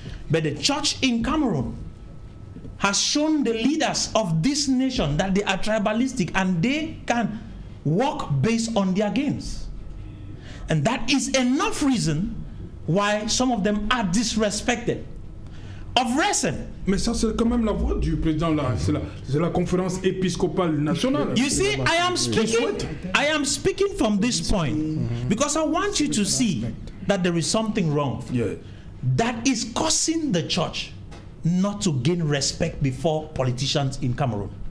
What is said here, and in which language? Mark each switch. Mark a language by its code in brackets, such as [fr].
[en] But the church in Cameroon has shown the leaders of this nation that they are tribalistic and they can work based on their gains. And that is enough reason why some of them are disrespected. Of recent. [fr] Mais ça, c'est quand même la voix du président là. C'est la conférence épiscopale nationale. [en] You see, I am speaking from this point because I want you to see that there is something wrong. Yeah. That is causing the church not to gain respect before politicians in Cameroon.